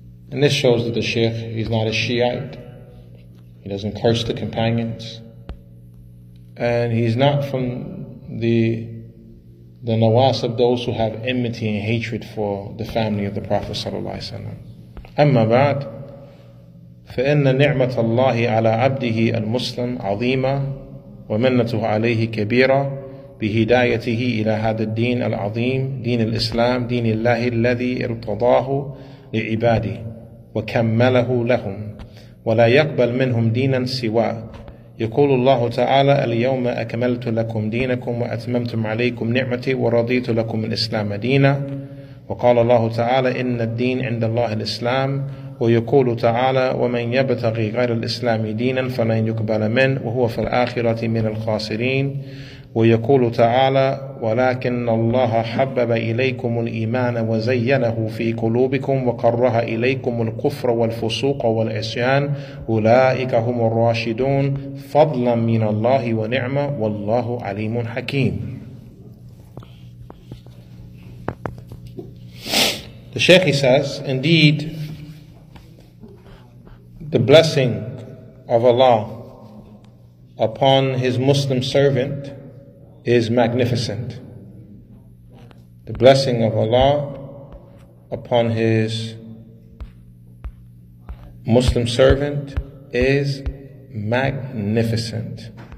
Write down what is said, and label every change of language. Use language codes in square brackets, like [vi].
[en] And this shows that the Shaykh, he's not a Shiite. He doesn't curse the companions. And he's not from the nawas of those who have enmity and hatred for the family of the Prophet sallallahu alaihi wasallam. [ar] Amma ba'd, فَإِنَّ نِعْمَةَ اللَّهِ عَلَىٰ عَبْدِهِ الْمُسْلِمِ عَظِيمًا ومنته عليه كبيرة بهدايته إلى هذا الدين العظيم دين الإسلام دين الله الذي ارتضاه لعباده وكمله لهم ولا يقبل منهم دينا سوى. يقول الله تعالى اليوم أكملت لكم دينكم وأتممت عليكم نعمتي ورضيت لكم الإسلام دينا. وقال الله تعالى إن الدين عند الله الإسلام. ويقول تعالى ومن يبتغي غير الإسلام دينا فلن يقبل منه وهو في الآخرة من الخاسرين. ويقول تعالى ولكن الله حبب إليكم الإيمان وزينه في قلوبكم وقره إليكم الكفر والفسوق والعصيان أولئك هم الراشدون فضلا من الله ونعمة والله عليم حكيم. [en] The Shaykh says, indeed, the blessing of Allah upon his Muslim servant is magnificent. The blessing of Allah upon his Muslim servant is magnificent.